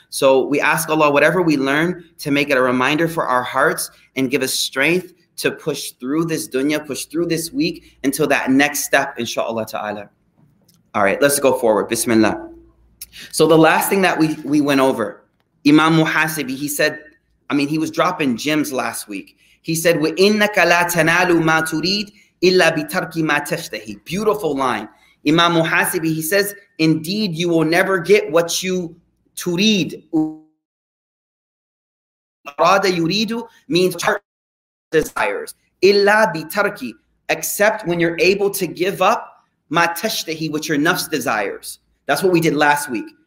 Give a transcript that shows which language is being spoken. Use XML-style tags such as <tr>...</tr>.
<en>So we ask Allah, whatever we learn, to make it a reminder for our hearts and give us strength to push through this dunya, push through this week until that next step, inshallah ta'ala. All right, let's go forward. Bismillah. So the last thing that we went over, Imam Muhasibi, he was dropping gems last week. He said,</en> <ar>وَإِنَّكَ لَا تَنَالُ مَا تُرِيدْ إِلَّا بِتَرْكِ مَا تَشْتَهِ.</ar> <en>Beautiful line. Imam Muhasibi, he says, indeed, you will never get what you turid. Arada yuridu means desires.</en> <ar>إِلَّا بِتَرْكِ,</ar> <en>except when you're able to give up</en> <ar>مَا تَشْتَهِ,</ar> <en>which your nafs desires. That's what we did last week.</en>